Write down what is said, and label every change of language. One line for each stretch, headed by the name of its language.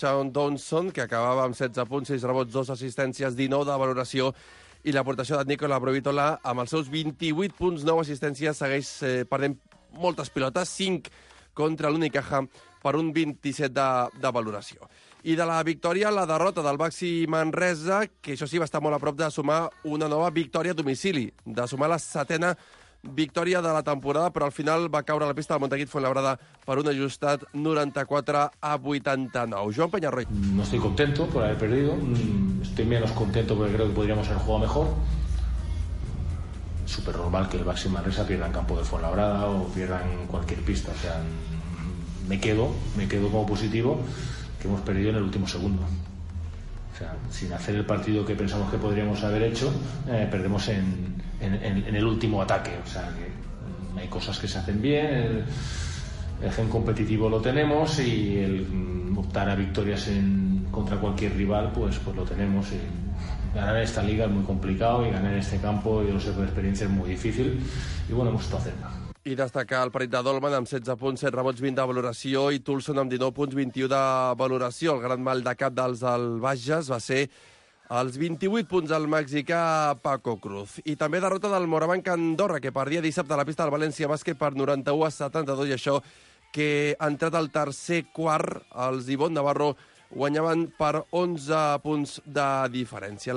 Catalan: Sean Donson, que acabava amb 16 punts, 6 rebots, 2 assistències, 19 de valoració, i l'aportació de Nicola Provitola amb els seus 28 punts, 9 assistències, segueix perdent moltes pilotes, 5 contra l'Unicaja per un 27 de valoració. I de la victòria, la derrota del Baxi Manresa, que això sí, va estar molt a prop de sumar una nova victòria a domicili, de sumar la setena victòria de la temporada, però al final va caure a la pista del Montequit Fuenlabrada per un ajustat 94-89. Joan Peñarroy.
Spanish: No estoy contento por haber perdido. Estoy menos contento porque creo que podríamos haber jugado mejor. Súper normal que el Baxi Manresa pierda en campo de Fuenlabrada o pierda en cualquier pista. O sea, me quedo como positivo que hemos perdido en el último segundo. O sea, sin hacer el partido que pensamos que podríamos haber hecho, perdemos en el último ataque. O sea, que hay cosas que se hacen bien, el gen competitivo lo tenemos y el optar a victorias en contra cualquier rival, pues lo tenemos. Y ganar esta liga es muy complicado y ganar en este campo, yo sé por experiencia, es muy difícil. Y bueno, hemos estado cerca.
Catalan: I destacar el partit de Dolman amb 16 punts, 7 rebots, 20 de valoració, i Tulson amb 19 punts, 21 de valoració. El gran mal de cap dels del Bages va ser els 28 punts del mexicà Paco Cruz. I també derrota del Morabanc Andorra, que perdia dissabte a la pista del València Bàsquet per 91-72, i això que ha entrat al tercer quart, els d'Ibon Navarro guanyaven per 11 punts de diferència.